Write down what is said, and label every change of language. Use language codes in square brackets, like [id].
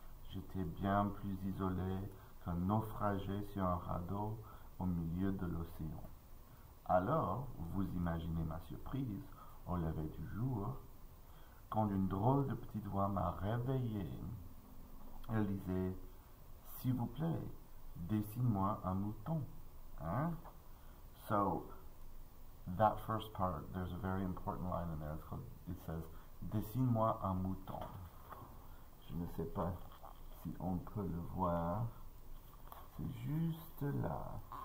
[fr] J'étais bien plus isolé qu'un naufragé sur un radeau au milieu de l'océan. Alors, vous imaginez ma surprise au lever du jour, quand une drôle de petite voix m'a réveillé. Elle disait: S'il vous plaît, dessine-moi un mouton. Hein? [en] So, that first part, there's a very important line in there. It's called, it says, [fr] dessine-moi un mouton. Je ne sais pas. Si on peut le voir, c'est juste là.